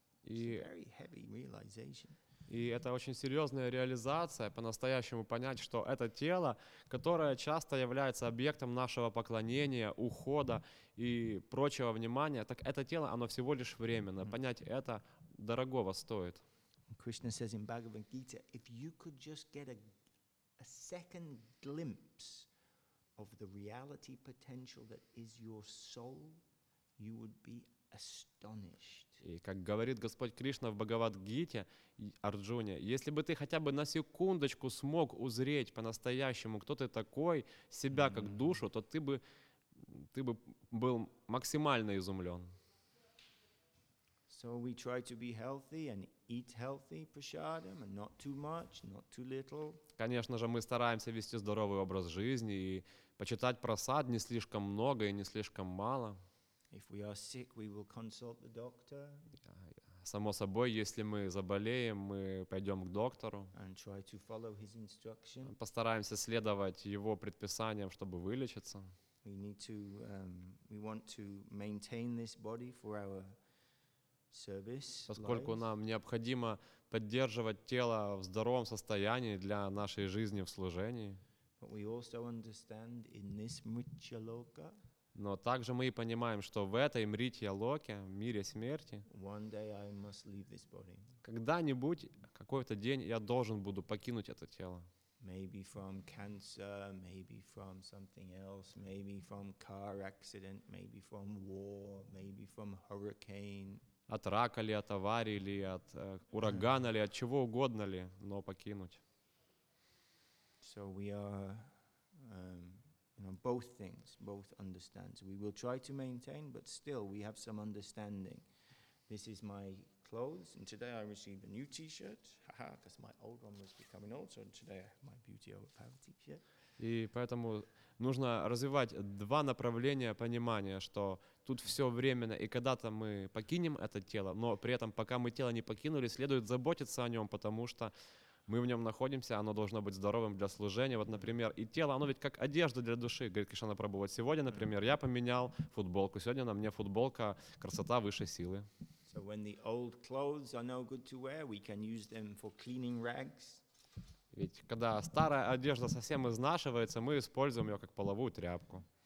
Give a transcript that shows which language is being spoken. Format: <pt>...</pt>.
<en>It's a very heavy realization.</en> <ru>И это очень серьезная реализация, по-настоящему понять, что это тело, которое часто является объектом нашего поклонения, ухода и прочего внимания, так это тело, оно всего лишь временно. Понять это дорогого стоит.</ru> <en>Krishna says in Bhagavad Gita, if you could just get a second glimpse of the reality potential that is your soul, you would be astonished.</en> <ru>И как говорит Господь Кришна в Бхагавад-гите, Арджуне, если бы ты хотя бы на секундочку смог узреть по-настоящему, кто ты такой, себя как душу, то ты бы был максимально изумлен.</ru> <en>So we try to be healthy and eat healthy prasadam, and not too much, not too little.</en> <ru>Конечно же, мы стараемся вести здоровый образ жизни и почитать просад не слишком много и не слишком мало.</ru> <en>If we are sick, we will consult the doctor.</en> <ru>Само собой, если мы заболеем, мы пойдем к доктору.</ru> <en>And try to follow his instructions.</en> <ru>Постараемся следовать его предписаниям, чтобы вылечиться.</ru> <en>We need to, we want to maintain this body for our service.</en> <ru>Поскольку нам необходимо поддерживать тело в здоровом состоянии для нашей жизни в служении.</ru> <en>But we also understand in this mritya-loka,</en> <ru>но также мы и понимаем, что в этой мритья-локе, мире смерти,</ru> <en>one day I must leave this body.</en> <ru>Когда-нибудь, какой-то день, я должен буду покинуть это тело.</ru> <en>Maybe from cancer, maybe from something else, maybe from car accident, maybe from war, maybe from hurricane.</en> <ru>От рака ли, от аварии ли, от урагана ли, от чего угодно ли, но покинуть.</ru> <en>So we are, you know, both things, both understands. We will try to maintain, but still we have some understanding. This is my clothes, and today I received a new T-shirt. Haha, because my old one was becoming old, so today I have my beauty over power T-shirt.</en> <ru>И поэтому нужно развивать два направления понимания, что тут все временно, и когда-то мы покинем это тело, но при этом, пока мы тело не покинули, следует заботиться о нем, потому что мы в нем находимся, оно должно быть здоровым для служения. Вот, например, и тело, оно ведь как одежда для души, говорит Кришна Прабху. Вот сегодня, например, я поменял футболку. Сегодня на мне футболка «Красота высшей силы».</ru> <en>So when the old clothes are no good to wear, we can use them for cleaning rags.</en> <ru>Ведь когда старая одежда совсем изнашивается, мы используем ее как половую тряпку.</ru>